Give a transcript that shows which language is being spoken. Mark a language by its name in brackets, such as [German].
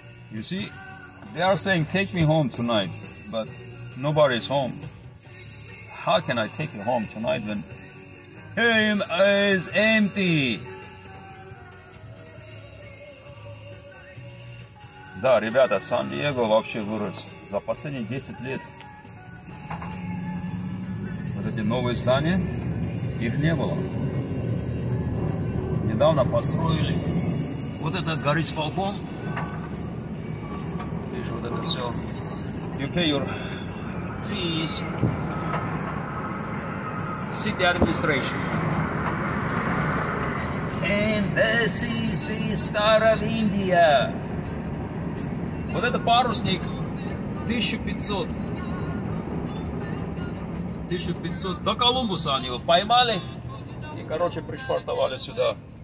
[English] You see, they are saying take me home tonight, but nobody is home. How can I take you home tonight when him is empty? [Russian] Да, ребята, Сан-Диего вообще вырос. За последние 10 лет вот эти новые здания, их не было. Недавно построили вот этот горисполком. [English] So you pay your fees, city administration, and this is the Star of India. [Russian] Вот это парусник, 1500 до Колумбуса они его поймали и, короче, пришвартовали сюда.